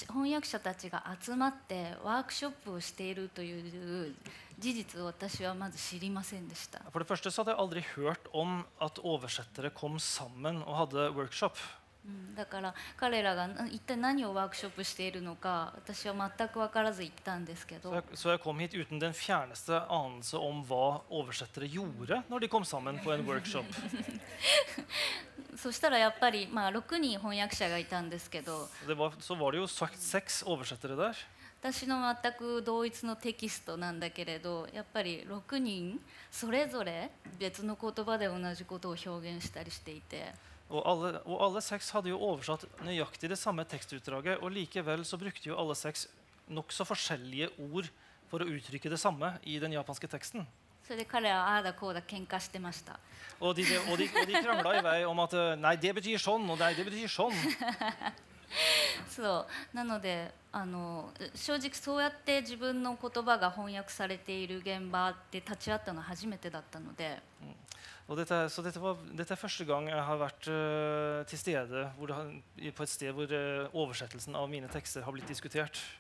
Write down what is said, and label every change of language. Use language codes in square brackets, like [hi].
[ja] 翻訳者たちが集まってワークショップをしているという事実を私はまず知りませんでした。 [no] For det første så hadde jeg aldri hørt om at oversettere kom sammen og hadde workshop. [ja] だから彼らが一体何をワークショップしているのか私は全く分からず行ったんですけど。 [no] Så jeg kom hit uten den fjerneste anelse om hva oversettere gjorde når de kom sammen på en workshop. [ja] そしたらやっぱりまあ6人翻訳者がいたんですけど。 [no] Så var det jo sagt 6 oversettere der. [ja] 私の全く同一のテキストなんだけれど、やっぱり6人それぞれ別の言葉で同じことを表現したりしていて。 [no] Og alle seks hadde jo oversatt nøyaktig det samme tekstutdraget, og likevel så brukte jo alle seks nok så forskjellige ord for å uttrykke det samme i den japanske teksten. Og de kramla i vei om at nei, det betyr sånn, og nei, det betyr sånn. [ja] そうなのであの正直そうやって自分の言葉が翻訳されている現場で立ち会ったのは初めてだったので。 [sv] Och detta så detta var detta är första gången jag har varit till stede [no] hvor det, [sv] på ett ställe där översättelsen av mina texter har blivit diskuterat.